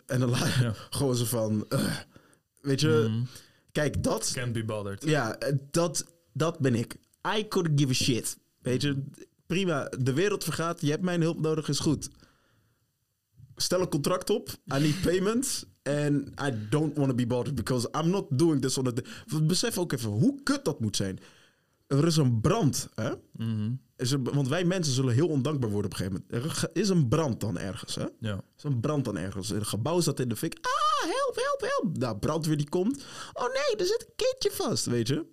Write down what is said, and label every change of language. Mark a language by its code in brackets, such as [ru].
[nl] En dan laat gewoon ze van, weet je. Mm. Kijk, dat... [en] Can't be bothered. [nl] Ja, dat ben ik. [en] I could give a shit. [nl] Weet je, prima. De wereld vergaat, je hebt mijn hulp nodig, is goed. Stel een contract op, [en] I need payment. En I don't want to be bothered, because I'm not doing this on the... [nl] Besef ook even, hoe kut dat moet zijn. Er is een brand, hè? Mm-hmm. Want wij mensen zullen heel ondankbaar worden op een gegeven moment. Er is een brand dan ergens, hè? Ja. Is een brand dan ergens. Een gebouw zat in de fik. Ah, help, help, help. Nou, brandweer die komt. Oh nee, er zit een kindje vast, weet je?